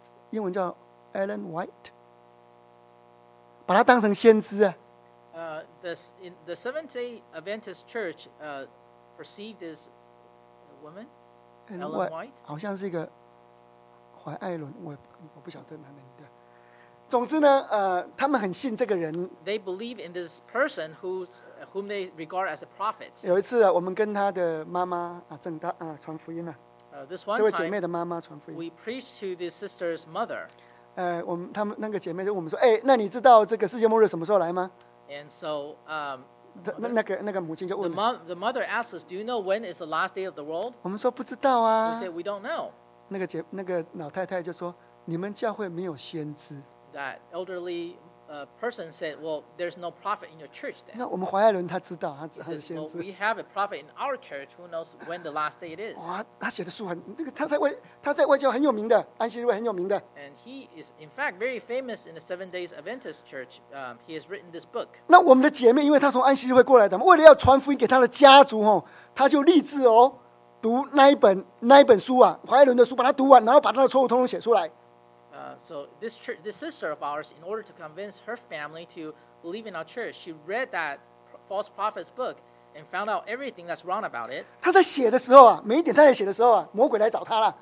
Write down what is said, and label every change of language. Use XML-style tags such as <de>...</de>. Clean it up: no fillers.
<zh>英文叫 Ellen White， 把他当成先知啊。</zh> <en>The Seventh-day Adventist Church perceived this woman</en> <zh>Ellen White， 好像是一个。怀艾伦，我不晓得男的女的。总之呢，他们很信这个人。</zh> <en>They believe in this person whom they regard as a prophet.</en> <zh>有一次、啊、我们跟他的妈妈啊，正道啊，传福音了、啊。</zh> <en>This one time,</en> <zh>这位姐妹的妈妈传福音。</zh> <en>We preached to this sister's mother.</en> <zh>他们那个姐妹就问我们说，哎，那你知道这个世界末日什么时候来吗</zh> <en>？And so,</en> <zh>那个母亲就问。</zh> <en>The mother asked us, "Do you know when is the last day of the world?"</en> <zh>我们说不知道啊。</zh> <en>We said we don't know.</en> <zh>那个老太太就说：“你们教会没有先知。”</zh> <en>That elderly person said, "Well, there's no prophet in your church." Then.</en> <zh>那我们怀艾伦他知道，他是先知。</zh> <en>Well, we have a prophet in our church. Who knows when the last day it is?</en> <zh>哇，他写的书很那个，他在外教很有名的，安息日很有名的。</zh> <en>And he is in fact very famous in the Seventh Days Adventist Church. He has written this book.</en> <zh>那我们的姐妹，因为她从安息日会过来的嘛，为了要传福音给她的家族哦，她就立志哦。读那一本书啊，怀艾伦的书，把它读完，然后把他的错误通通写出来。</zh> <en>So this sister of ours, in order to convince her family to believe in our church, she read that false prophet's book and found out everything that's wrong about it.</en> <zh>她在写的时候啊，每一点她在写的时候啊，魔鬼来找她了。</zh>